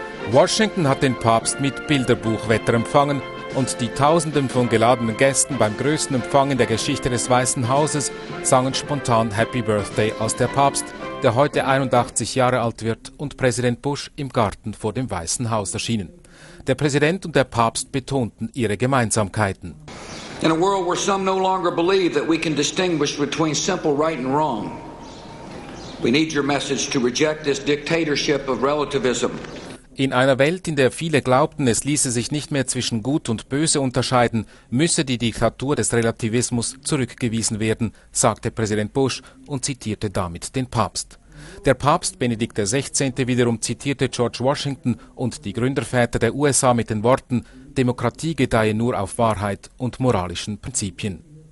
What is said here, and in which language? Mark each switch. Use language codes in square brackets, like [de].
[de] Washington hat den Papst mit Bilderbuchwetter empfangen und die Tausenden von geladenen Gästen beim größten Empfang in der Geschichte des Weißen Hauses sangen spontan Happy Birthday, als der Papst, der heute 81 Jahre alt wird, und Präsident Bush im Garten vor dem Weißen Haus erschienen. Der Präsident und der Papst betonten ihre Gemeinsamkeiten. [en] In a world where some no longer believe that we can distinguish between simple right and wrong, we need your message to reject this dictatorship of relativism. [de] In einer Welt, in der viele glaubten, es ließe sich nicht mehr zwischen Gut und Böse unterscheiden, müsse die Diktatur des Relativismus zurückgewiesen werden, sagte Präsident Bush und zitierte damit den Papst. Der Papst Benedikt XVI. Wiederum zitierte George Washington und die Gründerväter der USA mit den Worten: Demokratie gedeihe nur auf Wahrheit und moralischen Prinzipien.